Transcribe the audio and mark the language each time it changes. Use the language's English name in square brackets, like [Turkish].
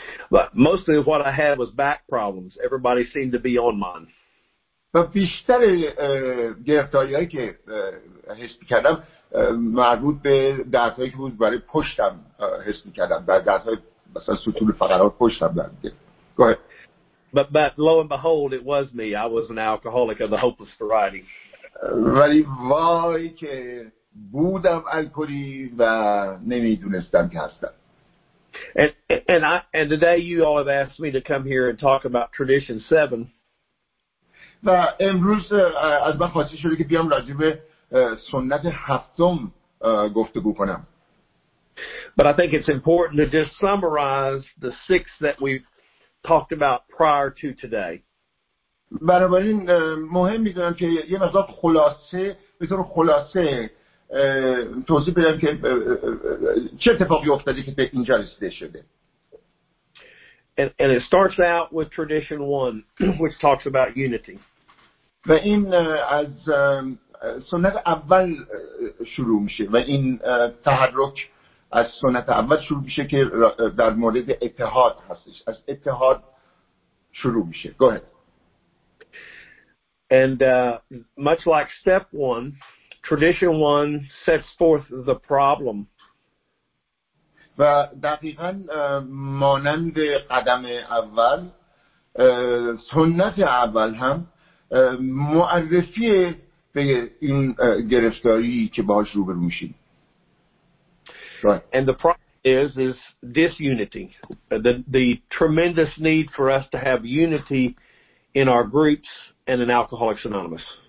[English] But mostly what I had was back problems. Everybody seemed to be on mine. [Persian] و بیشتر گرفتاری‌هایی که حس می‌کردم مربوط به دردهایی که بود برای پشتم حس می‌کردم، بعد دردهای مثلا سطول فقرات پشتم داشت. [English] Go ahead. But lo and behold, it was me. I was an alcoholic of the hopeless variety. [Persian] ولی وای که بودم الکلی و نمی‌دونستم که هستم. [English] And today you all have asked me to come here and talk about tradition 7. [Persian] و امروز از من خواسته شده که بیام راجع به سنت هفتم گفتگو کنم. [English] But I think it's important to just summarize the six that we've talked about prior to today. [Persian] بنابراین مهم میدونم که یه مقدار خلاصه به طور خلاصه توضیح بدم که چه اتفاقی افتاده که به اینجا رسیده شده. [English] And it starts out with tradition 1, which talks about unity. [Persian] و این از سنت اول شروع میشه و این تحرک از سنت اول شروع میشه که در مورد اتحاد هستش. از اتحاد شروع میشه. [English] Go ahead. And much like step one, tradition one sets forth the problem. [Persian] و دقیقاً مانند قدم اول، سنت اول هم معرفی به این گرفتاری که باهاش روبرو میشیم. [English] And the problem is disunity. The tremendous need for us to have unity in our groups and in Alcoholics Anonymous.